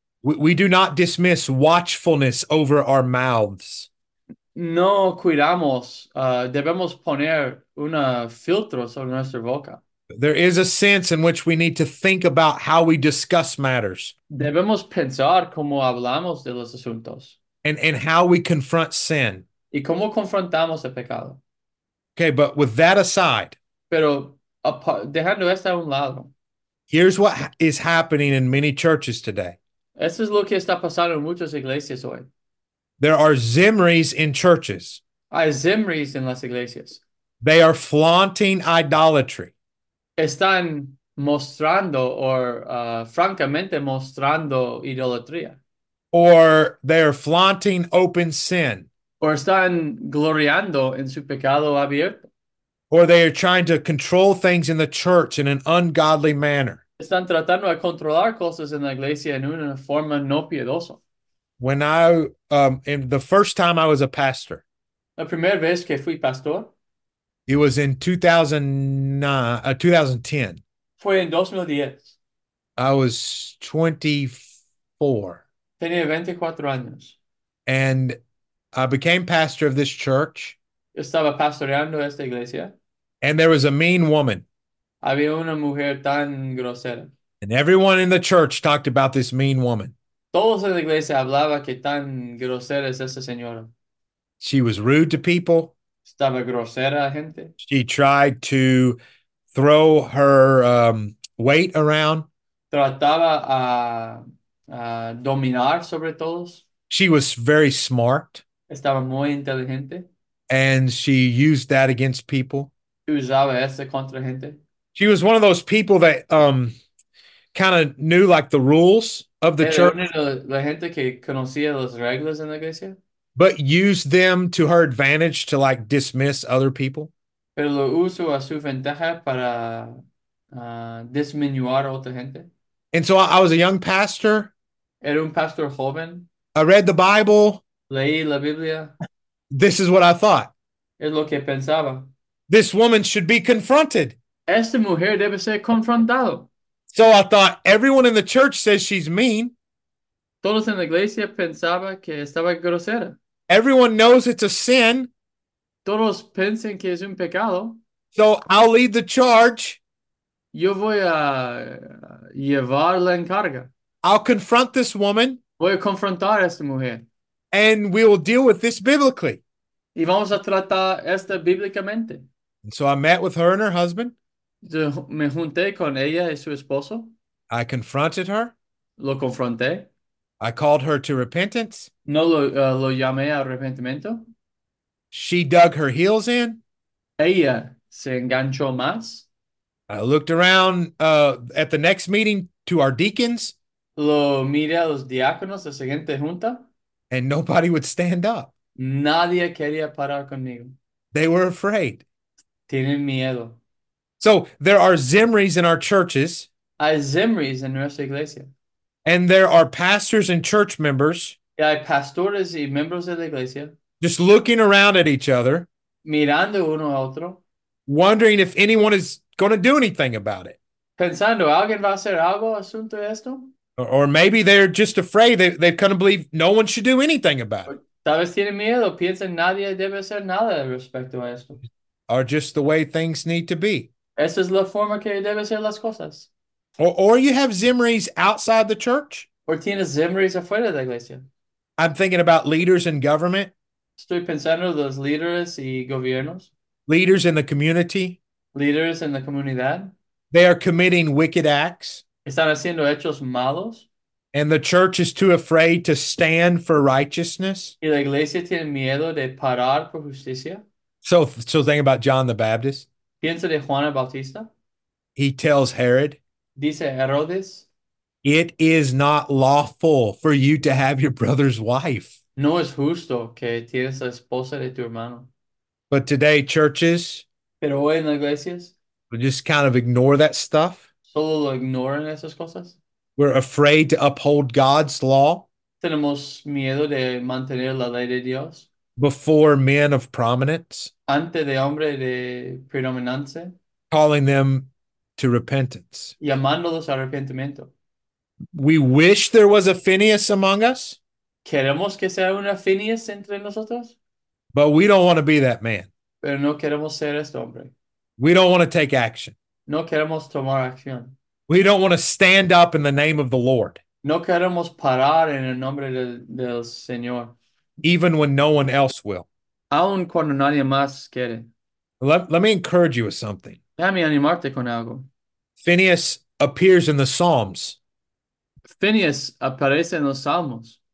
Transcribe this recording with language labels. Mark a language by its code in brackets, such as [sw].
[en] We do not dismiss watchfulness over our mouths. [es] No cuidamos, debemos poner un filtro sobre nuestra boca. [en] There is a sense in which we need to think about how we discuss matters. [es] Debemos pensar cómo hablamos de los asuntos. [en] And how we confront sin. [es] Y cómo confrontamos el pecado. [en] Okay, but with that aside. [es] Pero dejando esto a un lado. [en] Here's what is happening in many churches today. [es] Esto es lo que está pasando en muchas iglesias hoy. [en] There are Zimris in churches. [es] Hay Zimris en las iglesias. [en] They are flaunting idolatry. [es] Están mostrando francamente mostrando idolatría. [en] Or they're flaunting open sin. [es] Or están gloriando en su pecado abierto. [en] Or they are trying to control things in the church in an ungodly manner. [es] Están tratando de controlar cosas en la iglesia en una forma no piedosa. [en] When I, in the first time I was a pastor. [es] La primera vez que fui pastor. [en] It was in 2009, 2010. [es] Fue en 2010. [en] I was 24. [es] Tenía 24 años. [en] And I became pastor of this church. [es] Estaba pastoreando esta iglesia. [en] And there was a mean woman. [es] Había una mujer tan grosera. [en] And everyone in the church talked about this mean woman. [es] Todos en la iglesia hablaba que tan grosera es esa señora. [en] She was rude to people. [es] Estaba grosera a gente. [en] She tried to throw her weight around. [es] Trataba a dominar sobre todos. [en] She was very smart. [es] Estaba muy inteligente. [en] And she used that against people. [es] Usaba eso contra gente. [en] She was one of those people that kind of knew like the rules of the [es] era [en] church. [es] Una de la gente que conocía las reglas en la iglesia. [en] But used them to her advantage to like dismiss other people. [es] Pero lo usó a su ventaja para disminuir a otra gente. [en] And so I was a young pastor. [es] Era un pastor joven. [en] I read the Bible. [es] Leí la Biblia. [en] This is what I thought. [es] Es lo que pensaba. [en] This woman should be confronted. [es] Esta mujer debe ser confrontado. [en] So I thought, everyone in the church says she's mean. [es] Todos en la iglesia pensaba que estaba grosera. [en] Everyone knows it's a sin. [es] Todos piensan que es un pecado. [en] So I'll lead the charge. [es] Yo voy a llevar la encarga. [en] I'll confront this woman. [es] Voy a confrontar a esta mujer. [en] And we will deal with this biblically. [es] Y vamos a tratar esta bíblicamente. [en] And so I met with her and her husband. [es] Yo me junté con ella y su esposo. [en] I confronted her. [es] Lo confronté. [en] I called her to repentance. [es] No lo, lo llamé a arrepentimiento. [en] She dug her heels in. [es] Ella se enganchó más. [en] I looked around at the next meeting to our deacons. [es] Lo miré a los diáconos de la siguiente junta. [en] And nobody would stand up. [es] Nadie quería parar conmigo. [en] They were afraid. [es] Tienen miedo. [en] So there are Zimris in our churches. [es] Hay Zimris en nuestra iglesia. [en] And there are pastors and church members. [es] Y hay pastores y miembros de la iglesia. [en] Just looking around at each other. [es] Mirando uno a otro. [en] Wondering if anyone is going to do anything about it. [es] Pensando, ¿alguien va a hacer algo asunto de esto? [en] Or maybe they're just afraid. They've come to believe no one should do anything about it. [es] Tal vez tienen miedo. Piensan nadie debe hacer nada respecto a esto. [en] Or just the way things need to be. [es] Esa es la forma que deben ser las cosas. [en] Or you have Zimris outside the church. [es] Or tienes Zimris afuera de la iglesia. [en] I'm thinking about leaders in government. [es] Estoy pensando en los líderes y gobiernos. [en] Leaders in the community. [es] Leaders en la comunidad. [en] They are committing wicked acts. [es] Están haciendo hechos malos. [en] And the church is too afraid to stand for righteousness. [es] Y la iglesia tiene miedo de parar por justicia. [en] So think about John the Baptist. [es] Piensa de Juan Bautista. [en] He tells Herod. [es] Dice Herodes. [en] It is not lawful for you to have your brother's wife. [es] No es justo que tienes la esposa de tu hermano. [en] But today, churches. [es] Pero hoy en las iglesias. [en] We just kind of ignore that stuff. [es] Solo lo ignoran esas cosas. [en] We're afraid to uphold God's law. [es] Tenemos miedo de mantener la ley de Dios. [en] Before men of prominence. [es] Ante de hombre de predominancia. [en] Calling them to repentance. [es] Llamándolos a arrepentimiento. [en] We wish there was a Phineas among us. [es] Queremos que sea una Phineas entre nosotros. [en] But we don't want to be that man. [es] Pero no queremos ser este hombre. [en] We don't want to take action. [es] No queremos tomar acción. [en] We don't want to stand up in the name of the Lord. [es] No queremos parar en el nombre del Señor. [en] Even when no one else will. [es] Aun cuando nadie más quiere. [en] Let me encourage you with something. [es] Déjame animarte con algo. [en] Phineas appears in the Psalms. [es] Phineas aparece en los Salmos.